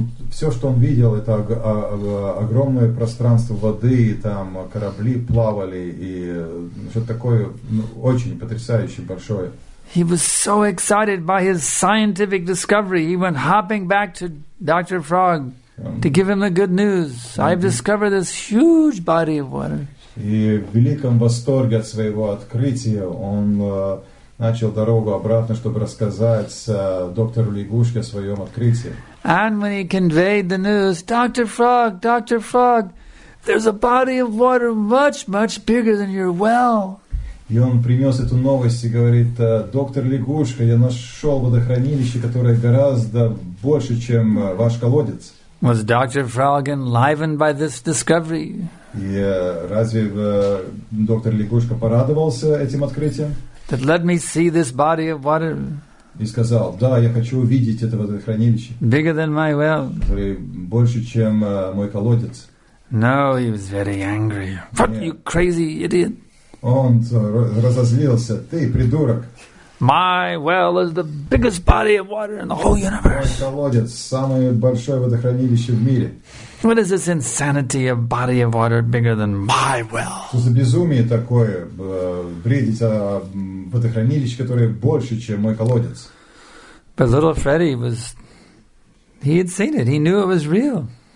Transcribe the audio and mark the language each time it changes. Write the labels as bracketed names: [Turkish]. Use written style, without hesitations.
[Russian] Все, что он видел, это огромное пространство воды, и там корабли плавали, и что-то такое очень потрясающе большое. [English] He was so excited by his scientific discovery, he went hopping back to Dr. Frog to give him the good news. I've discovered this huge body of water. [Russian] И в великом восторге от своего открытия он начал дорогу обратно, чтобы рассказать доктору лягушке о своем открытии. [English] And when he conveyed the news, Dr. Frog, there's a body of water much, much bigger than your well. [Russian] И он принес эту новость и говорит, доктор лягушка, я нашел водохранилище, которое гораздо больше, чем ваш колодец. [English] Was Dr. Frog enlivened by this discovery? [Russian] И разве доктор лягушка порадовался этим открытием? [English] That let me see this body of water. [Russian] И сказал, да, я хочу увидеть это водохранилище. [English] Bigger than my well. [Russian] Больше, чем мой колодец. [English] No, he was very angry. What, you crazy idiot? [Russian] Он разозлился. Ты придурок. [English] My well is the biggest body of water in the whole universe. [Russian] Мой колодец – самое большое водохранилище в мире. [English] What is this insanity of body of water bigger than my well? [Russian] Что за безумие такое, бредить о водохранилище, которое больше, чем мой колодец? [English] But little Freddy was, he had seen it, he knew it was real.